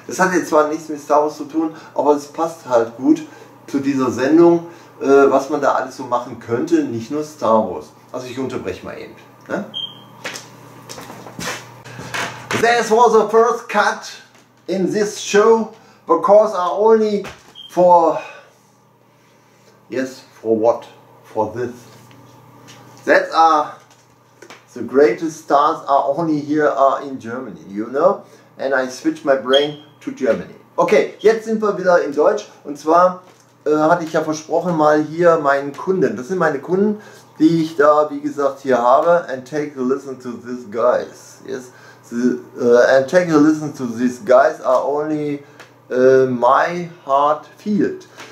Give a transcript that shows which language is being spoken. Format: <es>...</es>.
<de>Das hat jetzt zwar nichts mit Star Wars zu tun, aber es passt halt gut zu dieser Sendung, was man da alles so machen könnte, nicht nur Star Wars. Also ich unterbreche mal eben. Ne?</de> <en>This was the first cut in this show, because I only for. Yes, for what? For this. That's a. The greatest stars are only here are in Germany, you know? And I switch my brain to Germany. Okay,</en> <de>jetzt sind wir wieder in Deutsch. Und zwar hatte ich ja versprochen, mal hier meinen Kunden. Das sind meine Kunden, die ich da, wie gesagt, hier habe.</de> <en>And take a listen to these guys. Yes? And take a listen to these guys are only my heart field.</en>